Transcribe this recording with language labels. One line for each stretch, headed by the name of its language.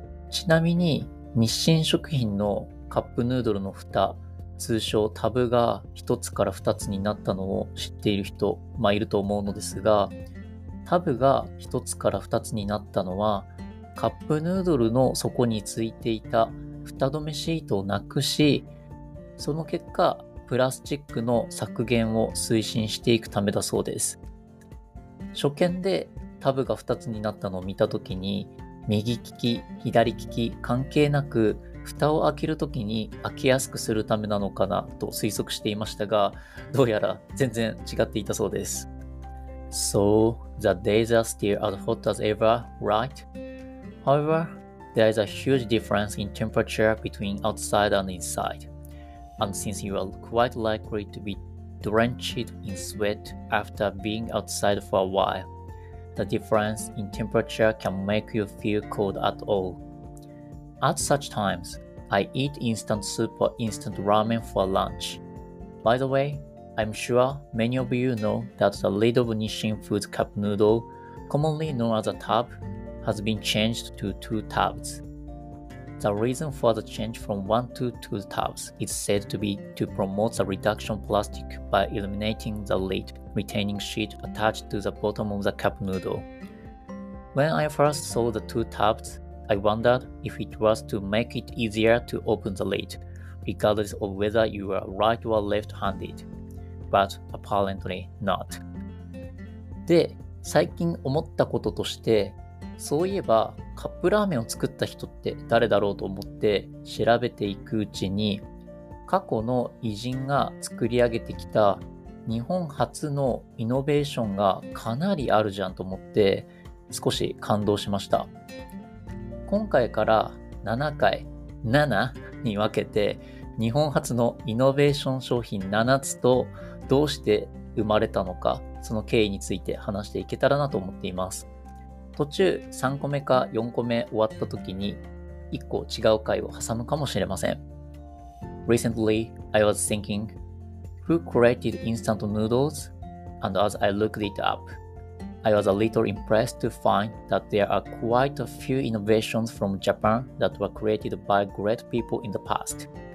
Japanese: ちなみに日清食品のカップヌードルの蓋、通称タブが1つから2つになったのを知っている人、まあいると思うのですが、タブが1つから2つになったのはカップヌードルの底についていた蓋止めシートをなくし、その結果プラスチックの削減を推進していくためだそうです。初見でタブが2つになったのを見た時に、右利き左利き関係なく蓋を開ける時に開けやすくするためなのかなと推測していましたが、どうやら全然違っていたそうです。
English: So the days are still as hot as ever, right? However, there is a huge difference in temperature between outside and insideAnd since you are quite likely to be drenched in sweat after being outside for a while, the difference in temperature can make you feel cold at all. At such times, I eat instant soup or instant ramen for lunch. By the way, I'm sure many of you know that the lid of Nissin Foods cup noodle, commonly known as a tub, has been changed to two tubs. The reason for the change from one to two tubs is said to be to promote the reduction of plastic by eliminating the lid retaining sheet attached to the bottom of the cup noodle. When I first saw the two tubs, I wondered if it was to make it easier to open the lid, regardless of whether you are right or left-handed. But apparently not.
Japanese: で、最近思ったこととして、そういえばカップラーメンを作った人って誰だろうと思って調べていくうちに、過去の偉人が作り上げてきた日本初のイノベーションがかなりあるじゃんと思って少し感動しました。今回から7回、7に分けて日本初のイノベーション商品7つとどうして生まれたのか、その経緯について話していけたらなと思っています。途中3個目か4個目終わった時に1個違う回を挟むかもしれません。
English: Recently, I was thinking, who created instant noodles? And as I looked it up, I was a little impressed to find that there are quite a few innovations from Japan that were created by great people in the past.